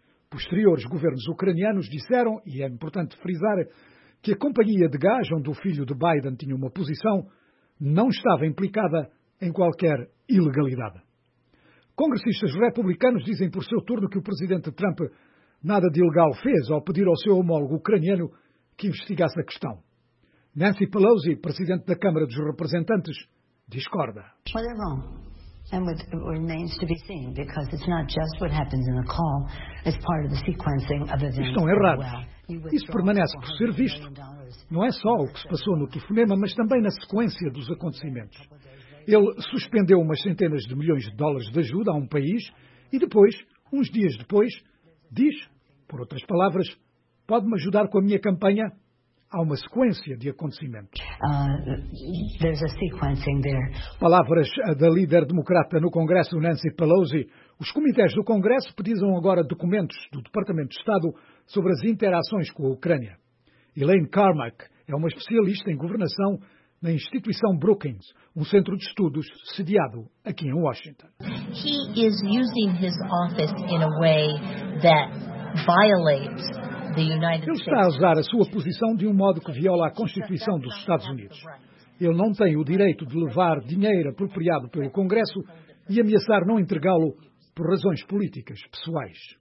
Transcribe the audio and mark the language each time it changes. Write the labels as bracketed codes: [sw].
[pt] Posteriores governos ucranianos disseram, e é importante frisar, que a companhia de gás, onde o filho de Biden tinha uma posição, não estava implicada em qualquer ilegalidade. Congressistas republicanos dizem, por seu turno, que o presidente Trump nada de ilegal fez ao pedir ao seu homólogo ucraniano que investigasse a questão. Nancy Pelosi, presidente da Câmara dos Representantes, discorda. [en] And what remains to be seen, because it's not just what happens in the call, it's part of the sequencing of events. [pt] Estão errados. Isso permanece por ser visto. Não é só o que se passou no telefonema, mas também na sequência dos acontecimentos. Ele suspendeu umas centenas de milhões de dólares de ajuda a um país e depois, uns dias depois, diz, por outras palavras, pode-me ajudar com a minha campanha? Há uma sequência de acontecimentos. [en] There's a sequencing there. [pt] Palavras da líder democrata no Congresso, Nancy Pelosi. Os comitês do Congresso pedizam agora documentos do Departamento de Estado sobre as interações com a Ucrânia. Elaine Carmack é uma especialista em governação na instituição Brookings, um centro de estudos sediado aqui em Washington. [en] He is using his office in a way that violates. [pt] Ele está a usar a sua posição de um modo que viola a Constituição dos Estados Unidos. Ele não tem o direito de levar dinheiro apropriado pelo Congresso e ameaçar não entregá-lo por razões políticas pessoais.